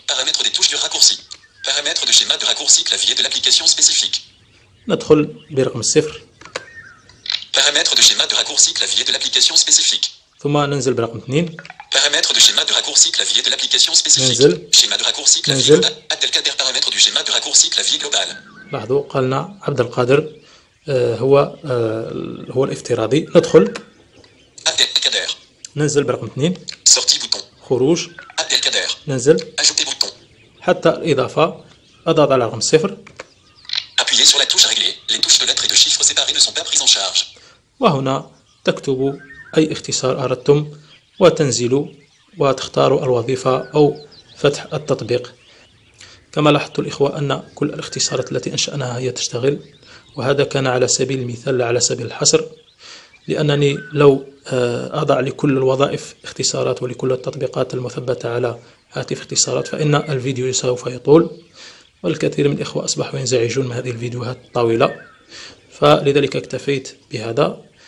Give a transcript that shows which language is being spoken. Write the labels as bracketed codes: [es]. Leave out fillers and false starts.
[fr] Paramètres des touches de raccourci. Paramètres de schéma de raccourci clavier de l'application spécifique. [ar] ندخل برقم 0. [fr] Paramètres de schéma de raccourci clavier de l'application spécifique. [ar] ثم ننزل برقم 2. [fr] Paramètres de schéma de raccourci clavier de l'application spécifique. [ar] ننزل. [fr] Schéma de raccourci clavier Abdelkader paramètres du schéma de raccourci clavier global. [ar] بعده قالنا عبد القادر هو هو الافتراضي. ندخل. ننزل برقم 2. سورتي بوتون. خروج. Abdelkader. ننزل. [fr] Ajouter bouton. [ar] حتى الإضافة. أضغط على رقم 0. [fr] Appuyez sur la touche réglée. Les touches de lettres et de chiffres séparés ne sont pas prises en charge. [ar] وهنا تكتب أي اختصار أردتم وتنزل وتختار الوظيفة أو فتح التطبيق. كما لاحظت الإخوة أن كل الاختصارات التي أنشأناها هي تشتغل، وهذا كان على سبيل المثال على سبيل الحصر، لأنني لو أضع لكل الوظائف اختصارات ولكل التطبيقات المثبتة على هاتف اختصارات فإن الفيديو سوف يطول، والكثير من الإخوة أصبحوا ينزعجون من هذه الفيديوهات الطويلة، فلذلك اكتفيت بهذا.